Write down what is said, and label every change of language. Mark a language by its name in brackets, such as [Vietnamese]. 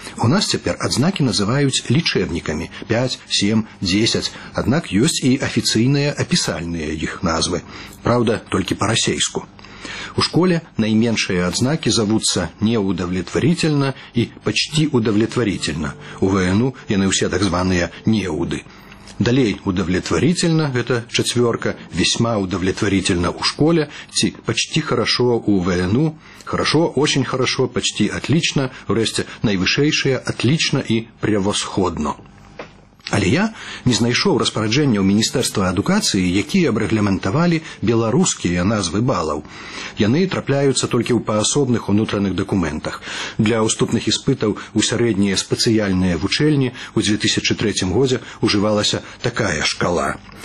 [Belarusian] У нас цяпер адзнакі называюць лічэбнікамі – 5, 7, 10, аднак ёсць і афіцыйныя апісальныя іх назвы. Праўда, толькі па-расейску. У школе найменшыя адзнакі завуцца «неудовлетворительна» і «пачти удовлетворительна». У ВНУ яны ўсе так званыя «неуды». Далей [Russian] удовлетворительно, это четверка, весьма удовлетворительно [Belarusian] у школе, ци [Russian] почти хорошо [Belarusian] у ВНУ, [Russian] хорошо, очень хорошо, почти отлично, вместе наивысшее, отлично и превосходно. [Belarusian] Але я не знайшоў распараджэння ў Міністэрства адукацыі, якія б рэгламентавалі беларускія назвы балаў. Яны трапляюцца толькі ў паасобных унутраных дакументах. Для уступных іспытаў у сярэднія спецыяльныя вучэльні ў 2003 годзе ўжывалася такая шкала.